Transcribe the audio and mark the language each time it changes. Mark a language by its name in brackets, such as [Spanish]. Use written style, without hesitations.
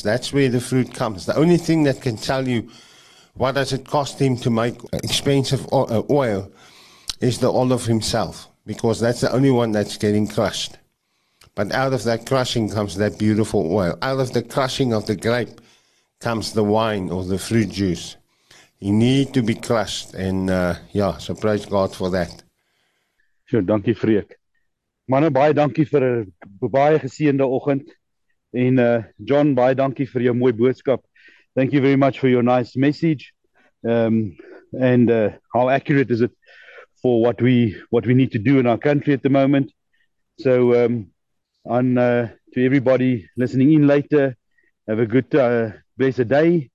[English] That's where the fruit comes. The only thing that can tell you what does it cost him to make expensive oil is the olive himself, because that's the only one that's getting crushed. But out of that crushing comes that beautiful oil. Out of the crushing of the grape comes the wine or the fruit juice. You need to be crushed, and so praise God for that. [Afrikaans] So, dankie Freek. Manne, baie dankie vir 'n baie geseënde oggend. En John, baie dankie vir jou mooi boodskap. [English] Thank you very much for your nice message. How accurate is it for what we need to do in our country at the moment? So, to everybody listening in later, have a good, blessed day.